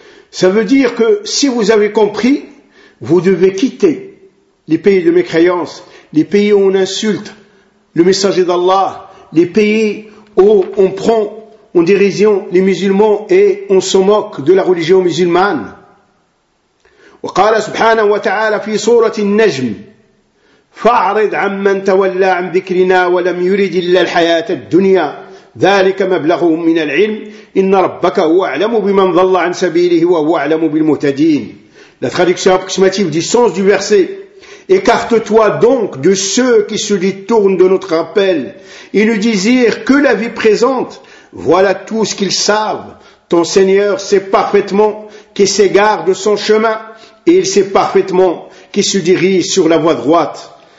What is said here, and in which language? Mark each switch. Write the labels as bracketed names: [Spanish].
[French] Ça veut dire que si vous avez compris, vous devez quitter les pays de mécréance, les pays où on insulte le messager d'Allah, les pays où on prend en dérision les musulmans et on se moque de la religion musulmane. [Arabic] Wa qala subhanahu wa ta'ala fi sourati an-najm. فَاعْرِضْ عَمَّنْ تَوَلَّى عَنْ ذِكْرِنَا وَلَمْ يُرِدْ إِلَّا الْحَيَاةَ الدُّنْيَا ذَلِكَ مَبْلَغُهُمْ مِنَ الْعِلْمِ إِنَّ رَبَّكَ هُوَ أَعْلَمُ بِمَنْ ضَلَّ عَنْ سَبِيلِهِ وَهُوَ أَعْلَمُ بِالْمُهْتَدِينَ. [French] La traduction approximative du sens du verset Écarte-toi donc de ceux qui se détournent de notre appel. Ils ne désirent que la vie présente. Voilà tout ce qu'ils savent. Ton Seigneur sait parfaitement qui s'égare de son chemin et il sait parfaitement qui se dirige sur la voie droite.